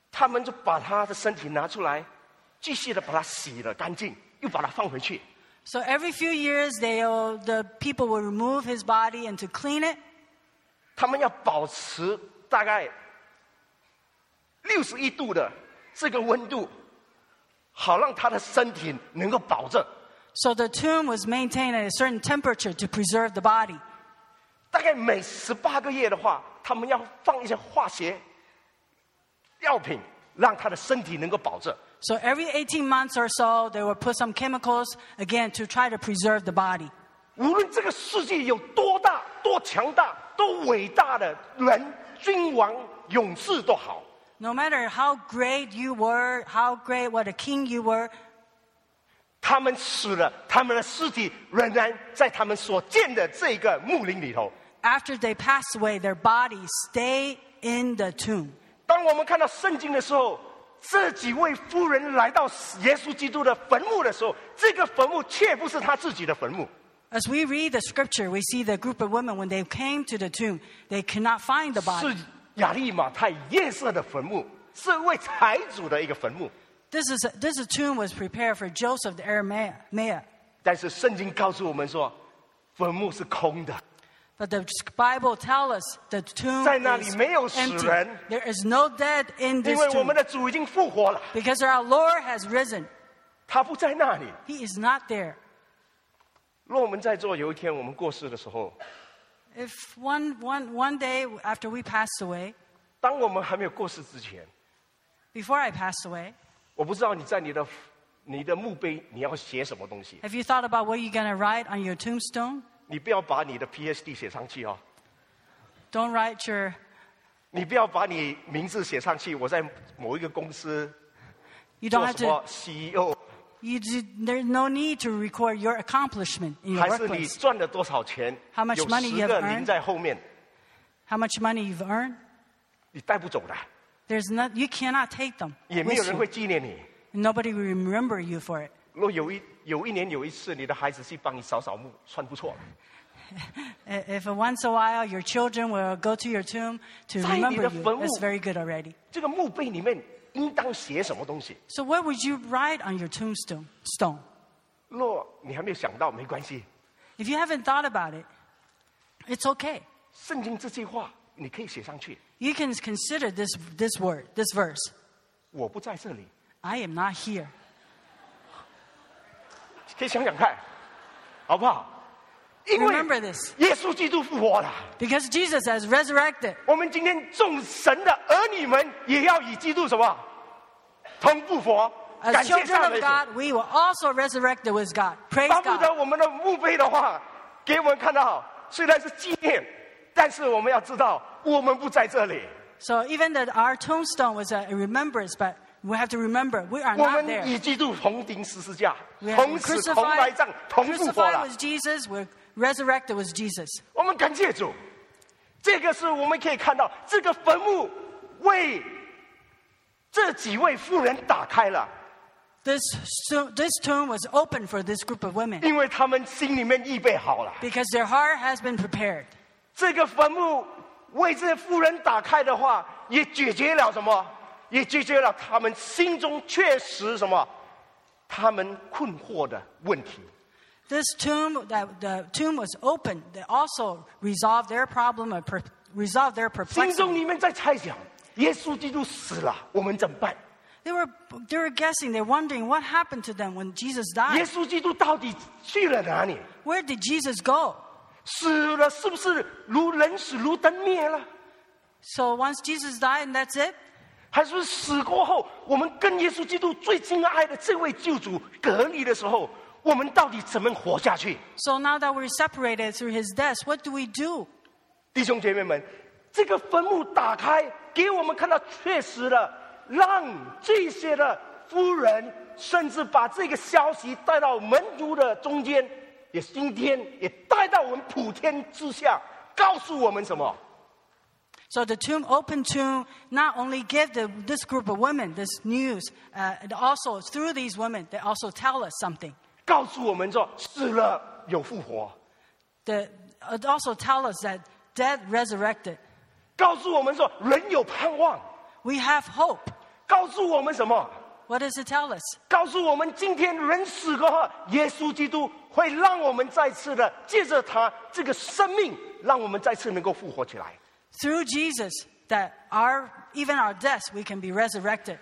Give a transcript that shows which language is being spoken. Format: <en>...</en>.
<zh>每大概几年，他们就把他的身体拿出来。继续地把它洗了干净，又把它放回去。</zh> <en>So every few years, the people will remove his body and to clean it.</en> <zh>他们要保持大概61度的这个温度，好让他的身体能够保证。</zh> <en>So the tomb was maintained at a certain temperature to preserve the body.</en> <zh>大概每18个月的话，他们要放一些化学药品，让他的身体能够保证。</zh> <en>So every 18 months or so, they will put some chemicals again to try to preserve the body.</en> <zh>无论这个世界有多大、多强大、多伟大的人、君王、勇士都好。</zh> <en>No matter how great you were, how great what a king you were,</en> <zh>他们死了，他们的尸体仍然在他们所建的这个墓陵里头。</zh> <en>After they pass away, their bodies stay in the tomb.</en> <zh>当我们看到圣经的时候，这几位妇人来到耶稣基督的坟墓的时候，这个坟墓却不是他自己的坟墓。</zh> <en>As we read the scripture, we see the group of women when they came to the tomb, they cannot find the body.</en> <zh>是亚利马太夜色的坟墓，是为财主的一个坟墓。</zh> <en>This tomb was prepared for Joseph the Arimathea.</en> <zh>但是圣经告诉我们说，坟墓是空的。</zh> <en>But the Bible tells us the tomb is empty. There is no dead in this tomb.</en> <zh>因为我们的主已经复活了。</zh> <en>Because our Lord has risen.</en> <zh>他不在那里。</zh> <en>He is not there.</en> <zh>若我们在座有一天我们过世的时候。</zh> <en>If one day after we pass away.</en> <zh>当我们还没有过世之前。</zh> <en>Before I pass away.</en> <zh>我不知道你在你的墓碑你要写什么东西。</zh> <en>Have you thought about what you're going to write on your tombstone?</en> <zh>你不要把你的 PhD 写上去哦。</zh> <en>Don't write your.</en> <zh>你不要把你名字写上去。我在某一个公司做什么 CEO。</zh> <en>There's no need to record your accomplishment in your workplace.</en> <zh>还是你赚了多少钱</zh> <en>？How much money you've earned？</en> <zh>有十个名在后面。</zh> <en>How much money you've earned？</en> <zh>你带不走的。</zh> <en>There's no, you cannot take them.</en> <zh>也没有人会纪念你。</zh> <en>Nobody will remember you for it.</en> <zh>若有一年有一次，你的孩子去帮你扫扫墓，算不错了。</zh> <en>If once a while your children will go to your tomb to remember you, that's very good already.</en> <zh>这个墓碑里面应当写什么东西</zh> <en>？So what would you write on your tombstone? Stone.</en> <zh>若你还没有想到，没关系。</zh> <en>If you haven't thought about it, it's okay.</en> <zh>圣经这句话你可以写上去。</zh> <en>You can consider this word, this verse.</en> <zh>我不在这里。</zh> <en>I am not here.</en> <zh>可以想想看，好不好？因为耶稣基督复活了。</zh> <en>Because Jesus has resurrected.</en> <zh>我们今天众神的儿女们也要与基督什么同复活？</zh> <en>As children of God, we were also resurrected with God. Praise God.</en> <zh>巴不得我们的墓碑的话，给我们看到，虽然是纪念，但是我们要知道，我们不在这里。</zh> <en>So even that our tombstone was a remembrance, but. We have to remember we are not there.</en> <zh>我们与基督同钉十字架，同死同埋葬，同复活了。</zh> <en>Crucified with Jesus, we're resurrected with Jesus.</en> <zh>我们感谢主，这个是我们可以看到，这个坟墓为这几位妇人打开了。</zh> <en>This tomb was open for this group of women.</en> <zh>因为他们心里面预备好了。</zh> <en>Because their heart has been prepared.</en> <zh>这个坟墓为这妇人打开的话，也解决了什么？也解决了他们心中确实什么，他们困惑的问题。</zh> <en>This tomb, that the tomb was open, they also resolved their problem, resolved their perplexity.</en> <zh>心中里面在猜想，耶稣基督死了，我们怎么办</zh> <en>？They were guessing, they're wondering what happened to them when Jesus died.</en> <zh>耶稣基督到底去了哪里</zh> <en>？Where did Jesus go?</en> <zh>死了是不是如人死如灯灭了</zh> <en>？So once Jesus died, and that's it.</en> <zh>还是死过后，我们跟耶稣基督最亲爱的这位救主隔离的时候，我们到底怎么活下去</zh> <en>？So now that we're separated through his death, what do we do?</en> <zh>弟兄姐妹们，这个坟墓打开，给我们看到确实的，让这些的妇人，甚至把这个消息带到门徒的中间，也今天也带到我们普天之下，告诉我们什么？</zh> <en>So the tomb, open tomb, not only give this group of women this news, and also through these women, they also tell us something.</en> <zh>告诉我们说死了有复活。</zh> <en>It also tell us that dead resurrected.</en> <zh>告诉我们说人有盼望。</zh> <en>We have hope.</en> <zh>告诉我们什么</zh> <en>？What does it tell us?</en> <zh>告诉我们今天人死过后，耶稣基督会让我们再次的借着他这个生命，让我们再次能够复活起来。</zh> <en>Through Jesus, that even our deaths, we can be resurrected.</en>